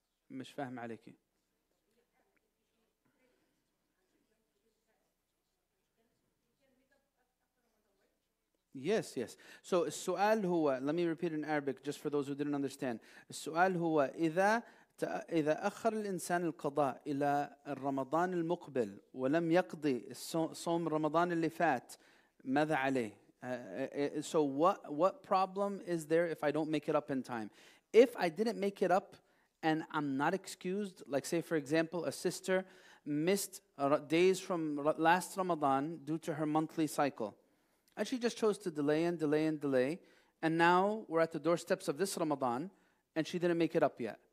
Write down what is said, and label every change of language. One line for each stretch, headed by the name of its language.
Arabic: مش فاهم عليكي.
English: Yes. So
Arabic: السؤال هو,
English: let me repeat in Arabic just for those who didn't understand.
Arabic: السؤال هو إذا أخر الإنسان القضاء إلى رمضان المقبل ولم يقضي صوم رمضان اللي فات ماذا عليه?
English: So what problem is there if I don't make it up in time? If I didn't make it up and I'm not excused, like say for example a sister missed days from last Ramadan due to her monthly cycle, and she just chose to delay and delay and delay, and now we're at the doorsteps of this Ramadan, and she didn't make it up yet.